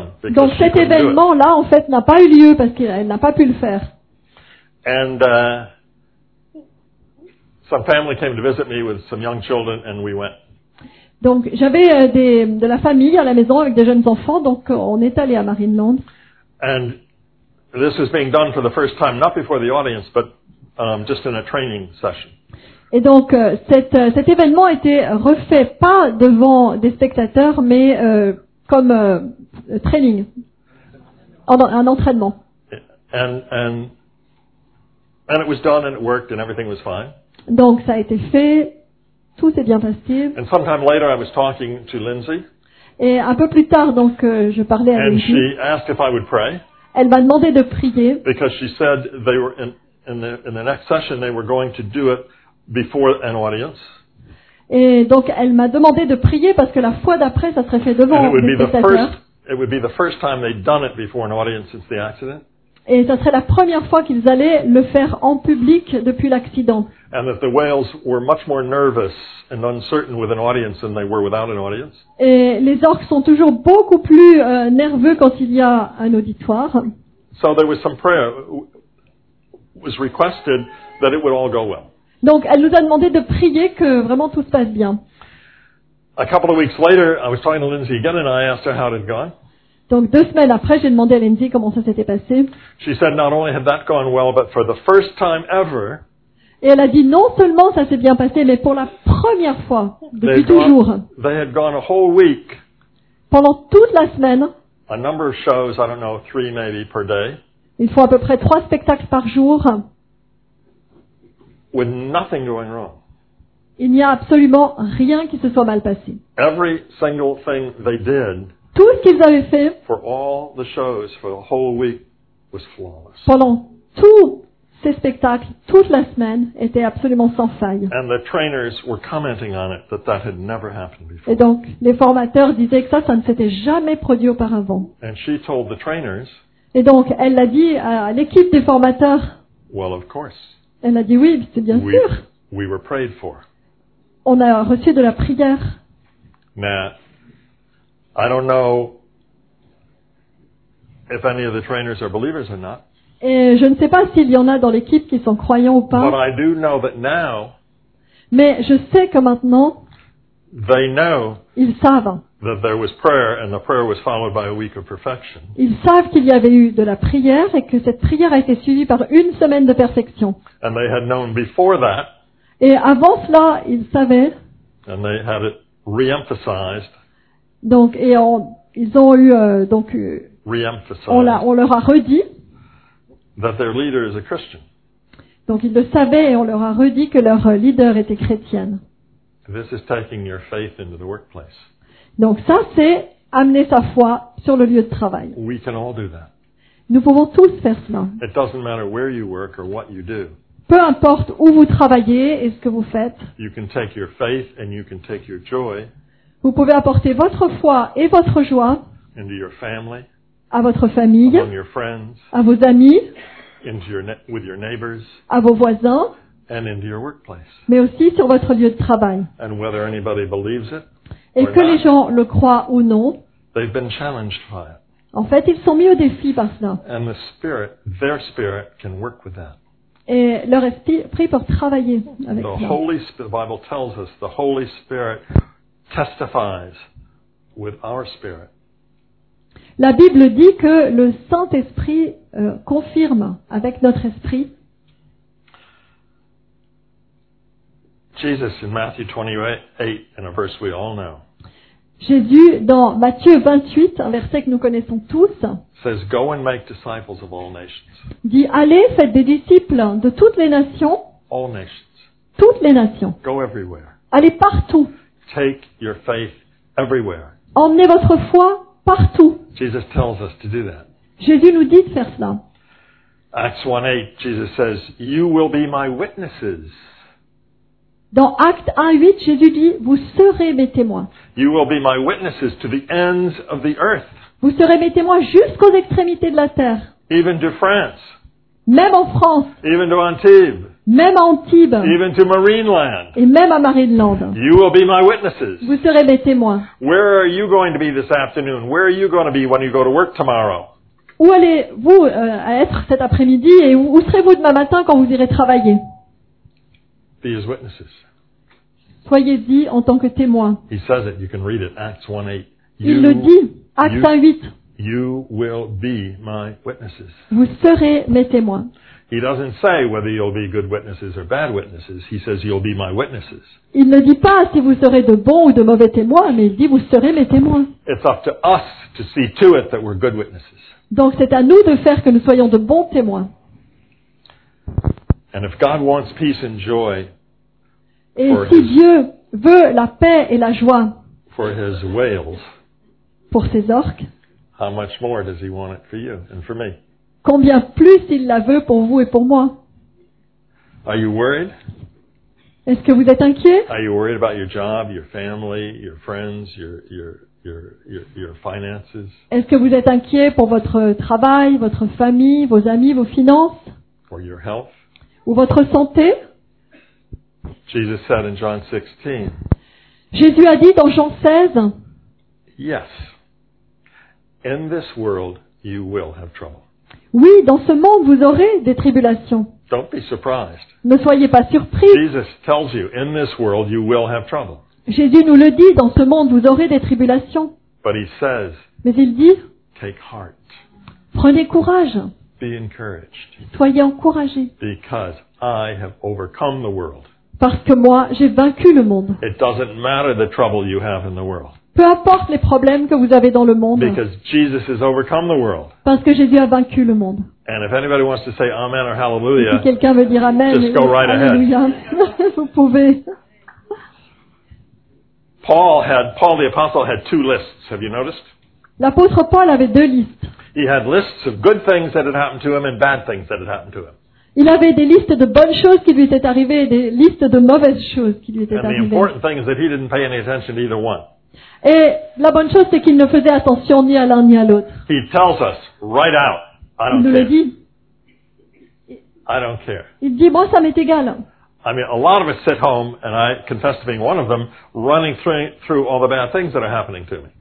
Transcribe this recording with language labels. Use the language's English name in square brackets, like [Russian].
[French] Donc cet événement-là, en fait, n'a pas eu lieu parce qu'elle n'a pas pu le faire. [English] And some family came to visit me with some young children, and we went. [French] Donc j'avais de la famille à la maison avec des jeunes enfants, donc on est allé à Marineland. [English] And this is being done for the first time, not before the audience, but just in a training session. [French] Et donc, cet événement était refait pas devant des spectateurs, mais comme training, un entraînement. [English] And it was done and it worked and everything was fine. [French] Donc, ça a été fait, tout s'est bien passé. [English] And sometime later, I was talking to Lindsay. [French] Et un peu plus tard, donc, je parlais à [English] and Lindsay. And she asked if I would pray. [French] Elle m'a demandé de prier. [English] Because she said they were in the next session they were going to do it before an audience. [French] Et donc elle m'a demandé de prier parce que la fois d'après ça serait fait devant les spectateurs. [English] It would be the first time they'd done it before an audience since the accident. [French] Et ça serait la première fois qu'ils allaient le faire en public depuis l'accident. [English] And that the whales were much more nervous and uncertain with an audience than they were without an audience. [French] Et les orques sont toujours beaucoup plus nerveux quand il y a un auditoire. [English] So there was some prayer was requested that it would all go well. [French] Donc elle nous a demandé de prier que vraiment tout se passe bien. [English] A couple of weeks later, I was talking to Lindsay again and I asked her how it had gone. [French] Donc deux semaines après, j'ai demandé à Lindsay comment ça s'était passé. [English] She said not only had that gone well, but for the first time ever. [French] Et elle a dit non seulement ça s'est bien passé, mais pour la première fois depuis toujours. [English] They had gone a whole week. [French] Pendant toute la semaine. [English] A number of shows, I don't know, three maybe per day. [French] Ils font à peu près trois spectacles par jour. [English] With nothing going wrong. [French] Il n'y a absolument rien qui se soit mal passé. [English] Every single thing they did. [French] Tout ce qu'ils avaient fait. [English] For all the shows for a whole week was flawless. [French] Pendant tout. Ces spectacles, toute la semaine, étaient absolument sans faille. [English] And the trainers were commenting on it, that had never happened before. [French] Et donc, les formateurs disaient que ça ne s'était jamais produit auparavant. [English] And she told the trainers, [French] et donc, elle l'a dit à l'équipe des formateurs. [English] Well, of course. [French] Elle a dit oui, c'est bien sûr. [English] We were prayed for. [French] On a reçu de la prière. [English] Now, I don't know if any of the trainers are believers or not. [French] Et je ne sais pas s'il y en a dans l'équipe qui sont croyants ou pas. [English] But I do know that now, [French] mais je sais que maintenant, [English] they know [French] ils savent [English] that there was prayer and the prayer was followed by a week of perfection. [French] Ils savent qu'il y avait eu de la prière et que cette prière a été suivie par une semaine de perfection. [English] And they had known before that, [French] et avant cela, ils savaient. [English] And they had it re-emphasized, [French] donc, et on, ils ont eu, donc, [English] re-emphasized. [French] On leur a redit. [English] That their leader is a Christian. [French] Donc ils le savaient et on leur a redit que leur leader était chrétienne. [English] This is taking your faith into the workplace. [French] Donc ça c'est amener sa foi sur le lieu de travail. [English] We can all do that. [French] Nous pouvons tous faire cela. [English] It doesn't matter where you work or what you do. [French] Peu importe où vous travaillez et ce que vous faites. [English] You can take your faith and you can take your joy. [French] Vous pouvez apporter votre foi et votre joie. [English] Into your family. [French] À votre famille, [English] friends, [French] à vos amis, [English] with your neighbors, [French] à vos voisins, [English] and into your workplace. [French] Mais aussi sur votre lieu de travail. [English] And whether anybody believes it [French] et que [English] not, [French] les gens le croient ou non, [English] they've been challenged by it. [French] En fait, ils sont mis au défi par cela. [English] And the spirit, their spirit can work with that. [French] Et leur esprit peut travailler avec ça. [English] The Bible tells us the Holy Spirit testifies with our spirit. [French] La Bible dit que le Saint-Esprit confirme avec notre esprit. [English] Jesus in Matthew 28 in a verse we all know. [French] Jésus dans Matthieu 28, un verset que nous connaissons tous. [English] Says go and make disciples of all nations. [French] Dit allez faites des disciples de toutes les nations. [English] All nations. [French] Toutes les nations. [English] Go everywhere. [French] Allez partout. [English] Take your faith everywhere. [French] Emmenez votre foi partout. [English] Jesus tells us to do that. [French] Jésus nous dit de faire cela. [English] Acts 1:8, Jesus says, you will be my witnesses. [French] Dans Actes 1:8, Jésus dit, vous serez mes témoins. [English] You will be my witnesses to the ends of the earth. [French] Vous serez mes témoins jusqu'aux extrémités de la terre. [English] Even to France. [French] Même en France. [English] Even to Antibes. [French] Même à Antibes. [English] Even to Marineland. [French] Et même à Marineland. [English] You will be my witnesses. [French] Vous serez mes témoins. [English] Where are you going to be this afternoon? Where are you going to be when you go to work tomorrow? [French] Où allez-vous être cet après-midi et où serez-vous demain matin quand vous irez travailler? [English] Be his witnesses. [French] Soyez-y en tant que témoins. [English] He says it. You can read it. Acts 1:8. [French] Il le dit. Acts 1:8. [English] You will be my witnesses. [French] Vous serez mes témoins. [English] He doesn't say whether you'll be good witnesses or bad witnesses. He says you'll be my witnesses. [French] Il ne dit pas si vous serez de bons ou de mauvais témoins, mais il dit vous serez mes témoins. [English] It's up to us to see to it that we're good witnesses. [French] Donc c'est à nous de faire que nous soyons de bons témoins. [English] And if God wants peace and joy, [French] et si Dieu veut la paix et la joie [English] for his whales, [French] pour ses orques, [English] how much more does he want it for you and for me? [French] Combien plus il la veut pour vous et pour moi? [English] Are you worried? [French] Est-ce que vous êtes inquiet? [English] Are you worried about your job, your family, your friends, your finances? [French] Est-ce que vous êtes inquiet pour votre travail, votre famille, vos amis, vos finances? [English] Or your health? [French] Ou votre santé? [English] Jesus said in John 16. [French] Jésus a dit dans Jean 16. [English] Yes. In this world you will have trouble. [French] Oui, dans ce monde, vous aurez des tribulations. [English] Don't be surprised. [French] Ne soyez pas surpris. [English] Jesus tells you, in this world, you will have trouble. [French] Jésus nous le dit, dans ce monde, vous aurez des tribulations. [English] But he says, [French] mais il dit, [English] take heart. [French] Prenez courage. [English] Be encouraged. [French] Soyez encouragés. [English] Because I have overcome the world. [French] Parce que moi, j'ai vaincu le monde. [English] It doesn't matter the trouble you have in the world. [French] Peu importe les problèmes que vous avez dans le monde. [English] Because Jesus has overcome the world. [French] Parce que Jésus a vaincu le monde. [English] And if anybody wants to say amen or hallelujah, [French] si quelqu'un veut dire amen, [English] just go right [French] hallelujah. [English] Ahead. [French] Vous pouvez. [English] Paul the apostle had two lists. Have you noticed? [French] L'apôtre Paul avait deux listes. [English] He had lists of good things that had happened to him and bad things that had happened to him. [French] Il avait des listes de bonnes choses qui lui étaient arrivées et des listes de mauvaises choses qui lui étaient arrivées. [English] And the important thing is that he didn't pay any attention to either one. [French] Et la bonne chose, c'est qu'il ne faisait attention ni à l'un ni à l'autre. [English] He tells us right out, I don't [French] il nous [English] care. [French] Le dit. [English] I don't care. [French] Il dit, moi, ça m'est égal. [English] I mean, a lot of us sit home, and I confess to being one of them, running through all the bad things that are happening to me.